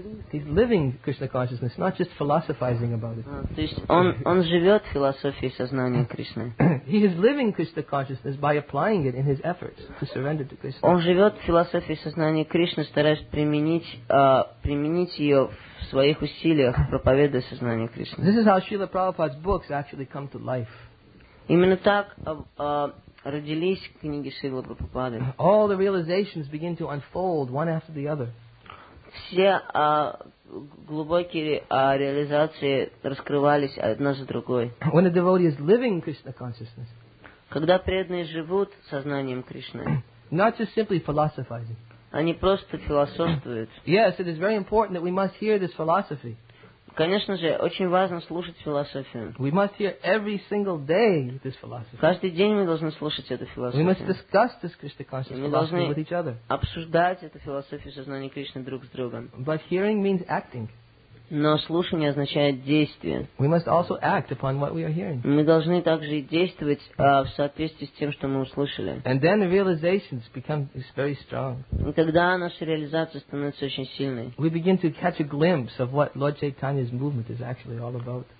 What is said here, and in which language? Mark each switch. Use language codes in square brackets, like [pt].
[en] He's living Krishna consciousness, not just philosophizing about it. [ru] То есть он живет философией сознания Кришны. [en] He is living Krishna consciousness by applying it in his efforts to surrender to Krishna. [ru] Он живет философией сознания Кришны, стараясь применить ее в своих усилиях, проповедуя сознание Кришны. [en] This is how Srila Prabhupada's books actually come to life. [ru] Именно так родились книги Шрилы Прабхупады. [en] All the realizations begin to unfold one after the other. [ru] Все глубокие реализации раскрывались одна за другой. [en] When a devotee is living Krishna consciousness. [ru] Когда преданные живут сознанием Кришны. [en] Not just simply philosophizing. [ru] Они просто философствуют. [en] Yes, it is very important that we must hear this philosophy. [ru] Конечно же, очень важно слушать философию. [en] We must hear every single day this philosophy. [ru] Каждый день мы должны слушать эту философию. [en] We must discuss this Krishna consciousness philosophy with each other. [ru] Мы должны обсуждать эту философию сознания Кришны друг с другом. [en] But hearing means acting. [ru] Но слушание означает действие. [en] We must also act upon what we are hearing. [ru] Мы должны также действовать в соответствии с тем, что мы услышали. [en] And then the realizations become very strong. [ru] И тогда наша реализация становится очень сильной. [en] We begin to catch a glimpse of what Lord Chaitanya's movement is actually all about.